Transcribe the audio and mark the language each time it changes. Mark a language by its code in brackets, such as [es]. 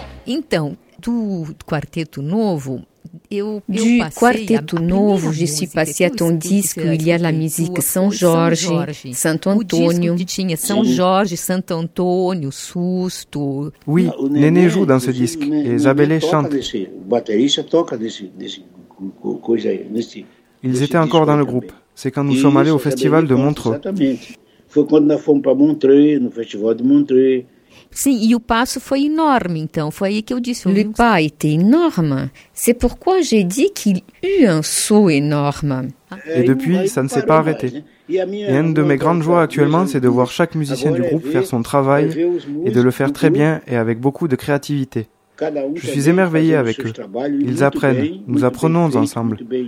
[pt] Então, do Quarteto Novo, eu [fr] du Quarteto Novo, je suis passé à ton disque où il y a la musique Saint-Georges, Saint-Antonio. [pt] O disco que tinha Saint-Georges, Saint-Antonio, Susto. [fr] Oui, Nenê joue dans ce disque et Isabelle chante. [pt] O baterista toca nesse coisa aí, nesse... [fr] Ils étaient encore dans le groupe. C'est quand nous sommes allés au festival de Montreux. [pt] Foi quando nós fomos para Montreux, no festival de Montreux. Sim, e o passo foi enorme, então. Foi aí que eu disse... [fr] Le pas était énorme. C'est pourquoi j'ai dit qu'il eut un saut énorme. Et depuis, ça ne s'est pas arrêté. Et une de mes grandes joies actuellement, c'est de voir chaque musicien du groupe faire son travail et de le faire très bien et avec beaucoup de créativité. Je suis émerveillé avec eux. Ils apprennent. Nous apprenons ensemble.